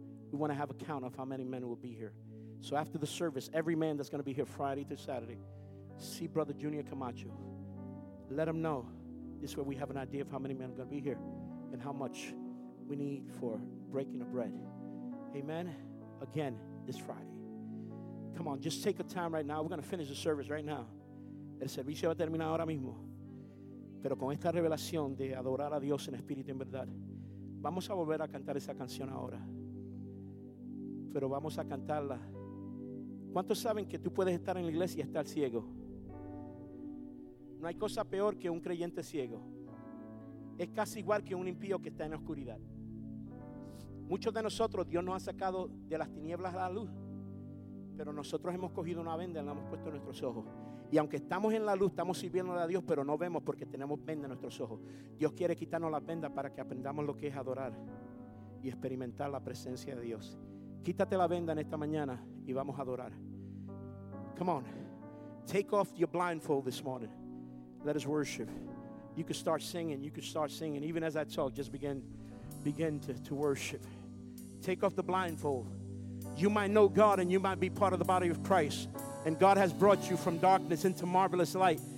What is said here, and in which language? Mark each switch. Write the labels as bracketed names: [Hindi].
[English] We want to have a count of how many men will be here. So after the service, every man that's going to be here Friday to Saturday, see brother Junior Camacho. Let him know. This way we have an idea of how many men are going to be here and how much we need for breaking of bread. Amen. Again, this Friday. Come on, just take a time right now. We're going to finish the service right now. [Spanish] El servicio va a terminar ahora mismo. Pero con esta revelación de adorar a Dios en espíritu y en verdad, vamos a volver a cantar esa canción ahora. Pero vamos a cantarla. ¿Cuántos saben que tú puedes estar en la iglesia y estar ciego? No hay cosa peor que un creyente ciego. es casi igual que un impío que está en oscuridad. Muchos de nosotros Dios nos ha sacado de las tinieblas a la luz, pero nosotros hemos cogido una venda y la hemos puesto en nuestros ojos. Y aunque estamos en la luz, estamos sirviendo a Dios, pero no vemos porque tenemos venda en nuestros ojos. Dios quiere quitarnos las vendas para que aprendamos lo que es adorar y experimentar la presencia de Dios. Quítate la venda en esta mañana y vamos a adorar. [English] Come on, take off your blindfold this morning. Let us worship. You can start singing. You can start singing. Even as I talk, just begin to worship. Take off the blindfold. You might know God and you might be part of the body of Christ. And God has brought you from darkness into marvelous light.